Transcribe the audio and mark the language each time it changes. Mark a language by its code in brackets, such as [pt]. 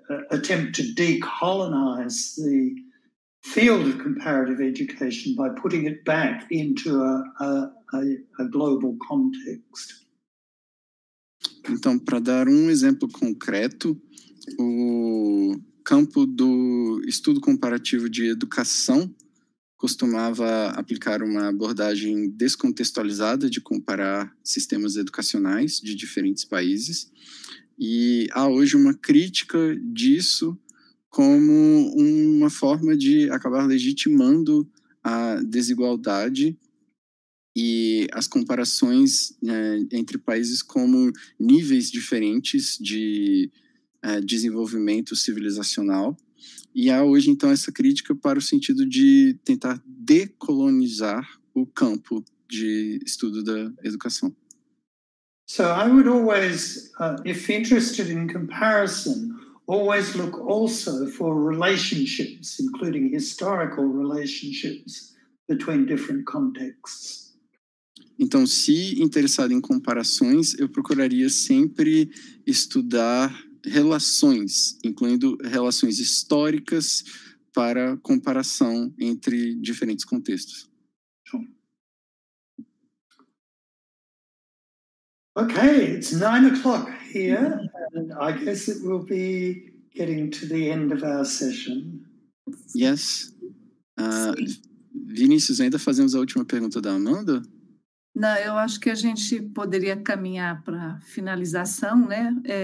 [en] attempt to decolonize the field of comparative education by putting it back into a global context. [pt] Então, para dar um exemplo concreto, o campo do estudo comparativo de educação costumava aplicar uma abordagem descontextualizada de comparar sistemas educacionais de diferentes países, e há hoje uma crítica disso como uma forma de acabar legitimando a desigualdade e as comparações entre países como níveis diferentes de desenvolvimento civilizacional. E há hoje, então, essa crítica para o sentido de tentar decolonizar o campo de estudo da educação. [en] So I would always, if interested in comparison, always look also for relationships, including historical relationships, between different contexts. [pt] Então, se interessado em comparações, eu procuraria sempre estudar relações, incluindo relações históricas para comparação entre diferentes contextos. [en] Okay, it's 9 o'clock here, and I guess it will be getting to the end of our session. Yes. [pt] Vinícius, ainda fazemos a última pergunta da Amanda? Não, eu acho que a gente poderia caminhar para finalização, né?